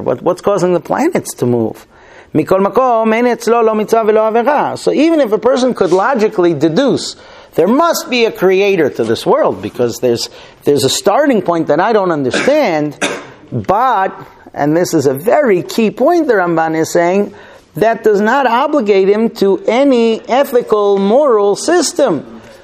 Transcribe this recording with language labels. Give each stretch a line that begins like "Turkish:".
English: What's causing the planets to move?
Hebrew: מכל מקום אין אצלו לא מצווה ולא עבירה.
English: So even if a person could logically deduce, there must be a creator to this world because there's a starting point that I don't understand, but, and this is a very key point the Ramban is saying, that does not obligate him to any ethical, moral system.